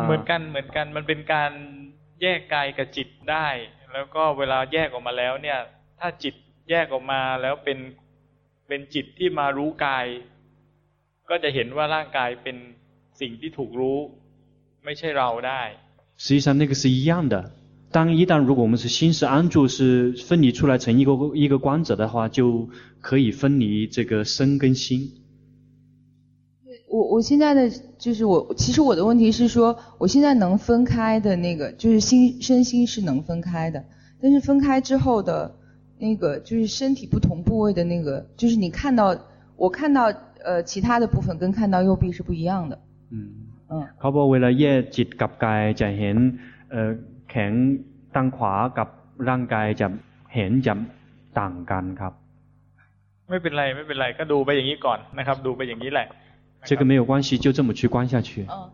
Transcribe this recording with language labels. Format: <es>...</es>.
<th>เหมือนกันมันเป็นการแยกกายกับจิตได้แล้วก็เวลาแยกออกมาแล้วเนี่ยถ้าจิตแยกออกมาแล้วเป็นจิตที่มารู้กายก็จะเห็นว่าร่างกายเป็นสิ่งที่ถูกรู้ไม่ใช่เราได้</th> <zh>实际上那个是一样的当一旦如果我们是心是安住，是分离出来成一个观者的话，就可以分离这个身跟心。我现在的就是我，其实我的问题是说，我现在能分开的那个，就是心身心是能分开的，但是分开之后的那个，就是身体不同部位的那个，就是你看到我看到其他的部分跟看到右臂是不一样的。</zh> <th>เขาบอกเวลาแยกจิตกับกายจะเห็นแขนด้านขวากับร่างกายจะเห็นจะต่างกันครับ ไม่เป็นไรไม่เป็นไรก็ดูไปอย่างนี้ก่อนนะครับดูไปอย่างนี้แหละ</th> <zh>这个没有关系就这么去观下去</zh>